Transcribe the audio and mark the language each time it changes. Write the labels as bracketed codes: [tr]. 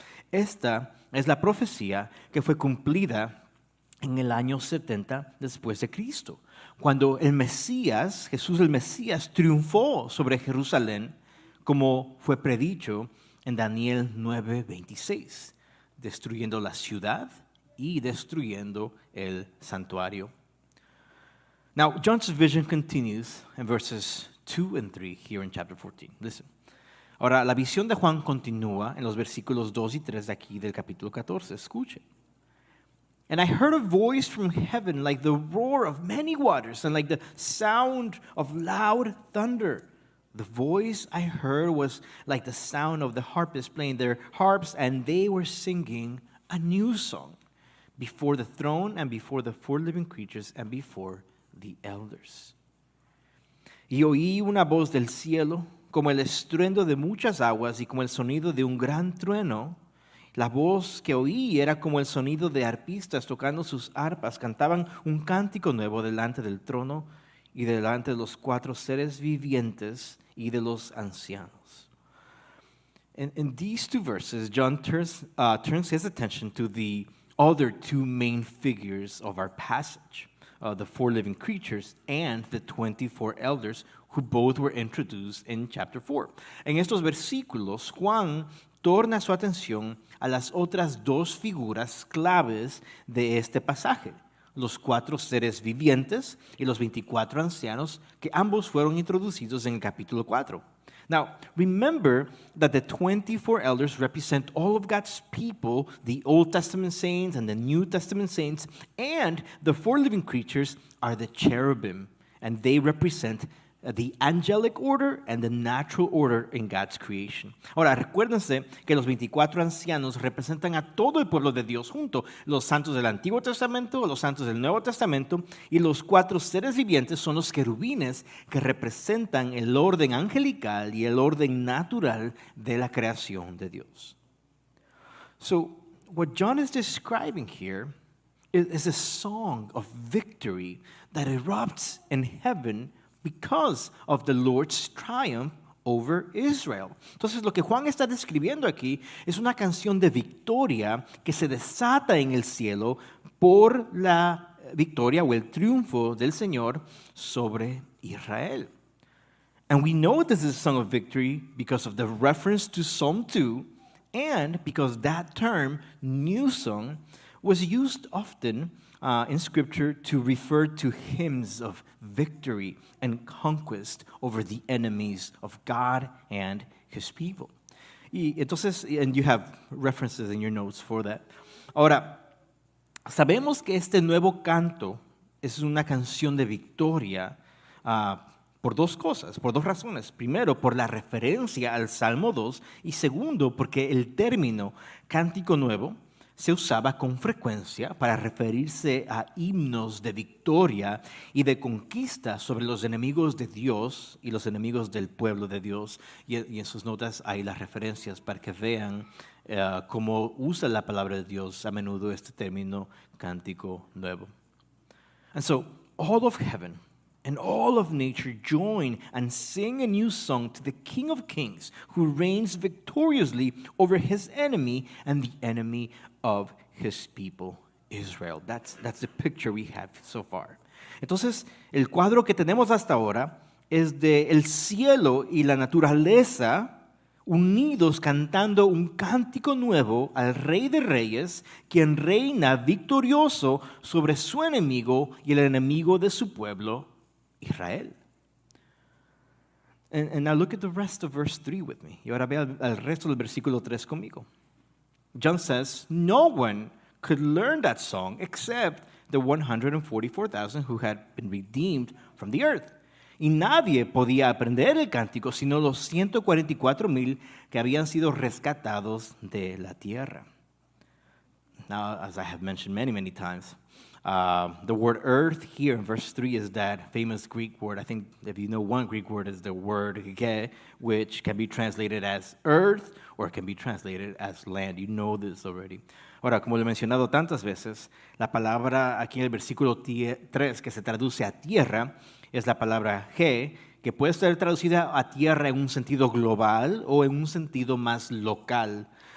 [es] Esta es la profecía que fue cumplida en el año 70 después de Cristo, cuando el Mesías, Jesús el Mesías, triunfó sobre Jerusalén, como fue predicho en Daniel 9:26, destruyendo la ciudad y destruyendo el santuario. [en] Now, John's vision continues in verses 2 and 3 here in chapter 14. Listen. [es] Ahora, la visión de Juan continúa en los versículos 2 y 3 de aquí del capítulo 14. Escuche. [en] And I heard a voice from heaven like the roar of many waters and like the sound of loud thunder. The voice I heard was like the sound of the harpists playing their harps, and they were singing a new song before the throne and before the four living creatures and before the elders. [es] Y oí una voz del cielo como el estruendo de muchas aguas y como el sonido de un gran trueno. La voz que oí era como el sonido de arpistas tocando sus arpas. Cantaban un cántico nuevo delante del trono y delante de los cuatro seres vivientes y de los ancianos. [en] In these two verses, John turns his attention to the other two main figures of our passage, the four living creatures and the 24 elders, who both were introduced in chapter 4. [es] En estos versículos, Juan torna su atención a las otras dos figuras claves de este pasaje, los cuatro seres vivientes y los 24 ancianos que ambos fueron introducidos en el capítulo 4. [en] Now, remember that the 24 elders represent all of God's people, the Old Testament saints and the New Testament saints, and the four living creatures are the cherubim, and they represent the angelic order and the natural order in God's creation. [es] Ahora, recuérdense que los 24 ancianos representan a todo el pueblo de Dios junto, los santos del Antiguo Testamento, los santos del Nuevo Testamento, y los cuatro seres vivientes son los querubines que representan el orden angelical y el orden natural de la creación de Dios. [en] So, what John is describing here is a song of victory that erupts in heaven because of the Lord's triumph over Israel. [es] Entonces, lo que Juan está describiendo aquí es una canción de victoria que se desata en el cielo por la victoria o el triunfo del Señor sobre Israel. [en] And we know this is a song of victory because of the reference to Psalm 2 and because that term, new song, was used often in scripture to refer to hymns of victory and conquest over the enemies of God and his people. [es] Y entonces, [en] and you have references in your notes for that. [es] Ahora, sabemos que este nuevo canto es una canción de victoria por dos cosas, por dos razones. Primero, por la referencia al Salmo 2, y segundo, porque el término cántico nuevo se usaba con frecuencia para referirse a himnos de victoria y de conquista sobre los enemigos de Dios y los enemigos del pueblo de Dios. Y en sus notas hay las referencias para que vean cómo usa la palabra de Dios a menudo este término cántico nuevo. [en] And so, all of heaven and all of nature join and sing a new song to the King of Kings who reigns victoriously over his enemy and the enemy of his people, Israel. That's the picture we have so far. [es] Entonces, el cuadro que tenemos hasta ahora es de el cielo y la naturaleza unidos cantando un cántico nuevo al Rey de Reyes, quien reina victorioso sobre su enemigo y el enemigo de su pueblo, Israel. [en] And now look at the rest of verse 3 with me. [es] Y ahora ve al resto del versículo 3 conmigo. [en] John says, no one could learn that song except the 144,000 who had been redeemed from the earth. [es] Y nadie podía aprender el cántico sino los 144,000 que habían sido rescatados de la tierra. [en] Now, as I have mentioned many, many times, the word earth here in verse 3 is that famous Greek word. I think if you know one Greek word, it's the word ge, which can be translated as earth or can be translated as land. You know this already. [es] Ahora, como lo he mencionado tantas veces, la palabra aquí en el versículo 3 que se traduce a tierra es la palabra ge, que puede ser traducida a tierra en un sentido global o en un sentido más local.